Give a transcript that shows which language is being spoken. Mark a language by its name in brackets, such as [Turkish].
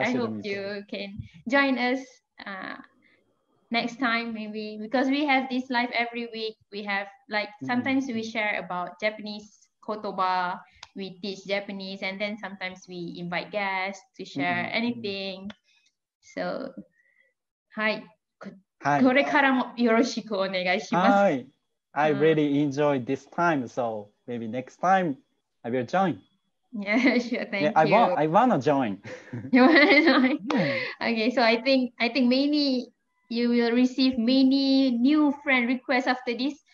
[English] I hope you can join us. Next time, maybe, because we have this live every week. We have like sometimes we share about Japanese kotoba, we teach Japanese, and then sometimes we invite guests to share anything. So, hi, Hi. [Japanese] これからもよろしくお願いします。 [English] Hi. I really enjoyed this time, so maybe next time I will join. Yeah, sure, thank you. I wanna join. You wanna join? Okay, so I think many you will receive many new friend requests after this.